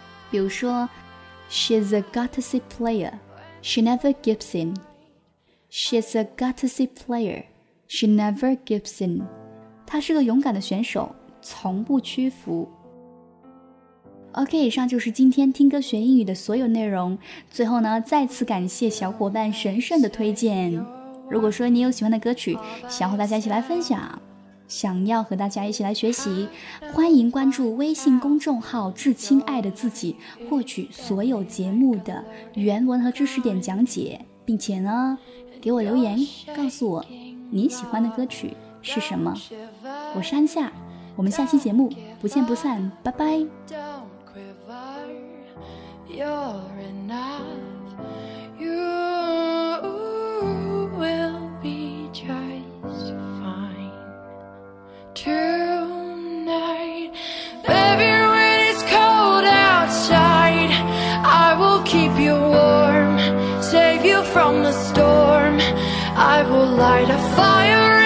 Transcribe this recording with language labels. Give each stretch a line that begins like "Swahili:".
English: 比如说 She's a gutsy player， She never gives in， She's a gutsy player， She never gives in，
Chinese: 她是个勇敢的选手，从不屈服。 OK， 以上就是今天听歌学英语的所有内容。最后呢，再次感谢小伙伴神圣的推荐。如果说你有喜欢的歌曲想和大家一起来分享，想要和大家一起来学习，欢迎关注微信公众号致亲爱的自己，获取所有节目的原文和知识点讲解，并且呢给我留言告诉我你喜欢的歌曲是什么。我是安夏，我们下期节目不见不散，拜拜。
English: Don't quiver, you're enough, you will be just fine tonight. Baby, when it's cold outside, I will keep you warm, save you from the storm, I will light a fire.